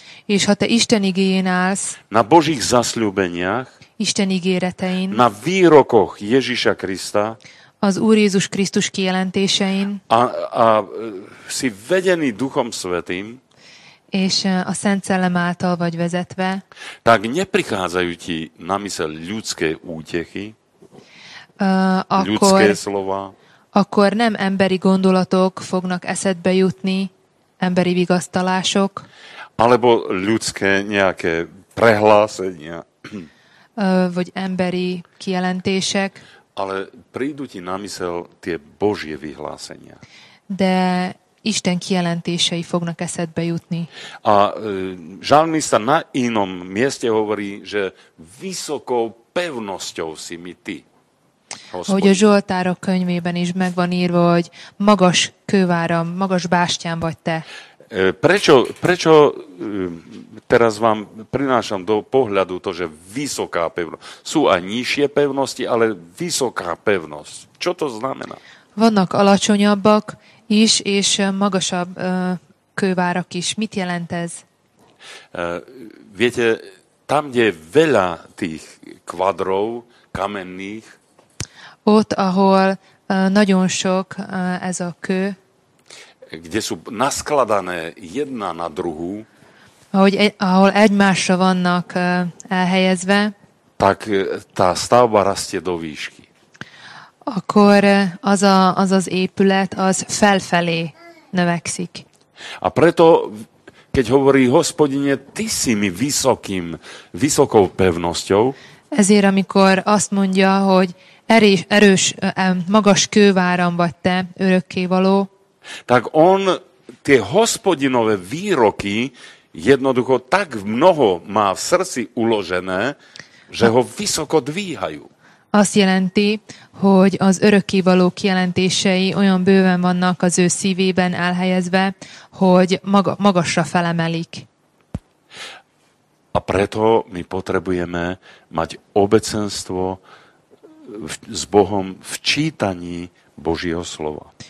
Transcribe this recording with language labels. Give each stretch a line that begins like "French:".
Hungarian: és ha te Isten igéjén állsz,
Slovak: na Božích zasľúbeniach,
Hungarian: Isten ígéretein,
Slovak: na výrokoch Ježíša Krista,
Hungarian: az Úr Jézus Krisztus kijelentésein,
Slovak: a si vedený Duchom Svätým,
Hungarian: és a Szent Szellem által vagy vezetve,
Slovak: tak neprichádzajú ti na mysel ľudské útechy,
Hungarian: akkor,
Slovak: ľudské slova,
Hungarian: akkor nem emberi gondolatok fognak eszedbe jutni, emberi vigasztalások,
Slovak: alebo ľudské nejaké prehlásenia,
Hungarian: vagy emberi kijelentések,
Slovak: ale prídu ti na mysel tie Božie vyhlásenia.
Hungarian: De Isten kijelentései fognak eszedbe jutni.
Slovak: A žalmista na inom mieste hovorí, že vysokou pevnosťou si mi ty, Hospodin.
Hungarian: Hogy a Zsoltárok könyvében is megvan írva, hogy magas kőváram, magas bástyám vagy te.
Slovak: Prečo teraz vám prinášam do pohľadu to, že vysoká pevnosť. Sú aj nižšie pevnosti, ale vysoká pevnosť. Čo to znamená?
Hungarian: Vannak alacsonyabbak is, és magasabb kővárak is. Mit jelent ez?
Slovak: Viete, tam, kde je veľa tých kvadrov kamenných,
Hungarian: ott, ahol nagyon sok ez a kő,
Slovak: kde sú naskladané jedna na druhú,
Hungarian: ahol egymásra vannak elhelyezve,
Slovak: tak tá stavba rastie do výšky.
Hungarian: Akkor az épület, az felfelé növekszik.
Slovak: A preto, keď hovorí Hospodine, ty si mi vysokou pevnosťou,
Hungarian: ezért, amikor azt mondja, hogy erős, magas kőváram vagy te, örökké való,
Slovak: tak on tie Hospodinové výroky jednoducho tak mnoho má v srdci uložené, že ho vysoko dvíhajú.
Hungarian: Azt jelenti, hogy az örökké való kijelentései olyan bőven vannak az ő szívében elhelyezve, hogy magasra felemelik.
Slovak: A preto my potrebujeme mať obecenstvo s Bohom v čítaní Božieho slova.